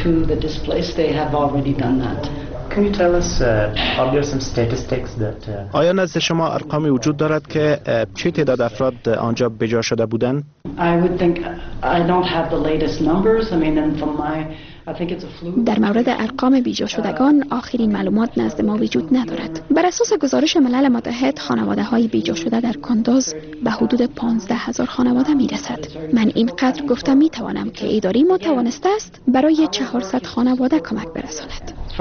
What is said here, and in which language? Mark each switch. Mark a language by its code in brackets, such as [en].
[en] Can you tell us are there some statistics that [fa] آیا نزد شما ارقامی وجود دارد که چه تعداد افراد آنجا بجا شده بودند؟ [en] I would think I don't have the latest numbers. I mean, and from my [fa] در مورد ارقام بیجا شدگان آخرین معلومات نزد ما وجود ندارد. بر اساس گزارش ملل متحد، خانواده های بیجا شده در کندوز به حدود 15,000 خانواده می رسد. من اینقدر گفتم می توانم که اداری ما توانسته است برای 400 خانواده کمک برساند.